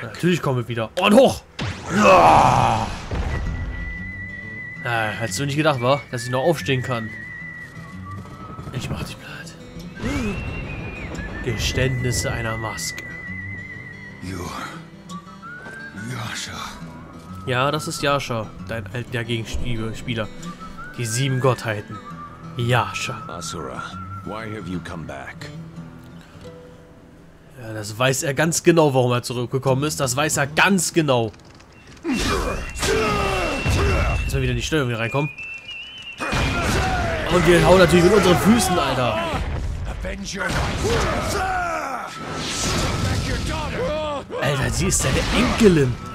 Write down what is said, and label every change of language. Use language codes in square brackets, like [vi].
[de] Natürlich kommen wir wieder. Und hoch! Ja! Ja, hättest du nicht gedacht, wa? Dass ich noch aufstehen kann. Ich mach dich blöd. Geständnisse einer Maske. Yasha. Ja, das ist Yasha, dein alter Gegenspieler. Die sieben Gottheiten. Yasha. [en] Asura, why have you come back? [de] Ja, das weiß er ganz genau, warum er zurückgekommen ist. Das weiß er ganz genau. Jetzt mal wieder in die Steuerung reinkommen. Und wir hauen natürlich mit unseren Füßen, Alter. Alter, sie ist deine Enkelin.